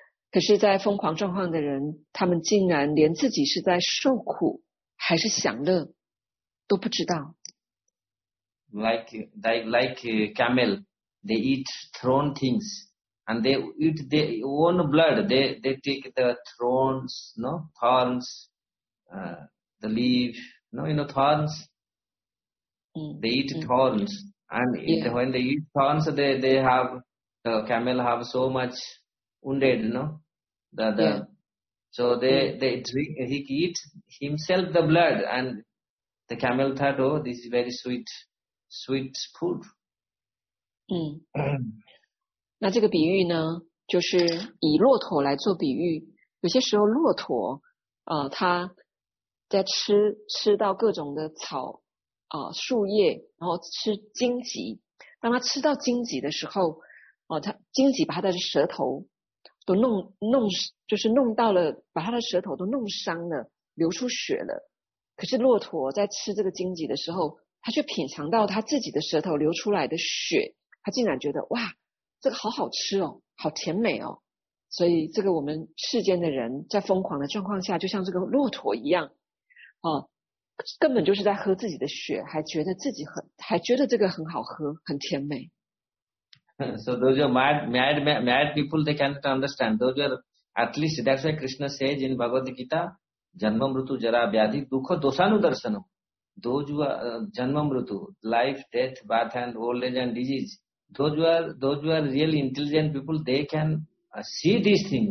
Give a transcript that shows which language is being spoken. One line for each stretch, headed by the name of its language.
Chinese: 可是在疯狂状况的人，他们竟然连自己是在受苦还是享乐都不知道。
English: Like camel, they eat thrown things, and they eat their own blood. They take the thorns, no? Thorns, the leaf, no? You know, thorns? They eat thorns. And eat,、yeah. when they eat thorns, they have, the camel have so much wounded, no? He eats himself the blood, and the camel thought, oh, this is very sweet food.
Chinese: 那这个比喻呢，就是以骆驼来做比喻。有些时候骆驼，它在吃到各种的草，树叶，然后吃荆棘。当它吃到荆棘的时候，它荆棘把它的舌头都弄就是弄到了，把他的舌头都弄伤了，流出血了。可是骆驼在吃这个荆棘的时候，他却品尝到他自己的舌头流出来的血，他竟然觉得哇，这个好好吃哦，好甜美哦。所以这个我们世间的人在疯狂的状况下，就像这个骆驼一样，根本就是在喝自己的血，还觉得这个很好喝，很甜美。
English: So those are mad people, they cannot understand. Those are, at least, that's why Krishna says in Bhagavad Gita,
Sanskrit: Janma Mrutu Jara Vyadhi Dukha Dosanu Darshanam.
English: those who are Janmamrutu, life, death, birth and old age and disease, those who are really intelligent people, they can see these things.